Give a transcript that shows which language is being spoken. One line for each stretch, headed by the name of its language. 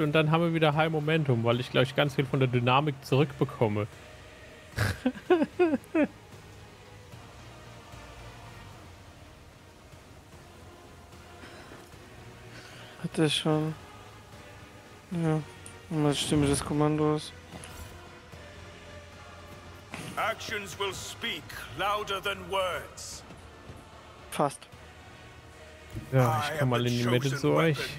German: Und dann haben wir wieder High Momentum, weil ich, glaube ich, ganz viel von der Dynamik zurückbekomme. Hat er schon. Ja, meine Stimme des Kommandos.
English: Actions will speak louder than words.
German: Fast. Ja, ich komme mal in die Mitte zu euch.